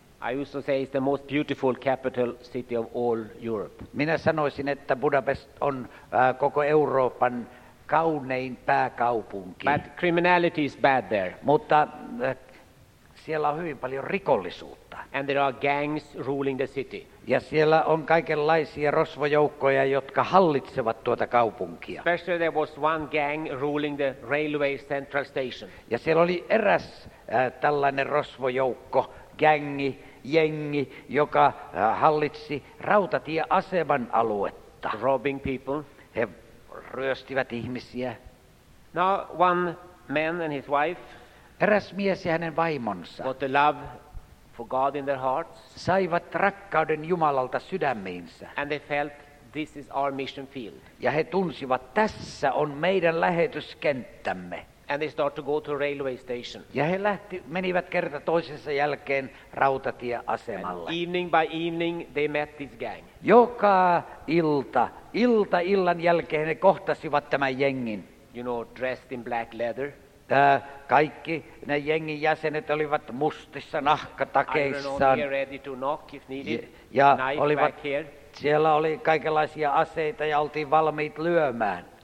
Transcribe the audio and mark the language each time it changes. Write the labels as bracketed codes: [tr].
[en] I used to say it's the most beautiful capital city of all Europe. [fi] Minä sanoisin, että Budapest on koko Euroopan kaunein pääkaupunki. [en] But criminality is bad there. [fi] Mutta siellä on hyvin paljon rikollisuutta. [en] And there are gangs ruling the city. [fi] Ja siellä on kaikenlaisia rosvojoukkoja, jotka hallitsevat tuota kaupunkia. [en] Especially there was one gang ruling the railway central station. [fi] Ja siellä oli eräs tällainen rosvojoukko, gängi, jengi, joka hallitsi rautatieaseman aluetta. [en] Robbing people. [fi] He ryöstivät ihmisiä. [en] Now one man and his wife. [fi] Eräs mies ja hänen vaimonsa. [en] Got the love for God in their hearts. [fi] Saivat rakkauden Jumalalta sydämiinsä. [en] And they felt this is our mission field. [fi] Ja he tunsivat, tässä on meidän lähetyskenttämme. [en] And they start to go to a railway station. [fi] Ja he menivät kerta toisensa jälkeen rautatieasemalle. [en] And evening by evening they met this gang. [fi] Joka ilta illan jälkeen he kohtasivat tämän jengin. [en] You know, dressed in black leather. [fi] Kaikki ne jengin jäsenet olivat mustissa nahkatakeissa. [en] Iron on here ready to knock if needed. [fi] Ja olivat, siellä oli kaikenlaisia aseita ja oltiin valmiit lyömään.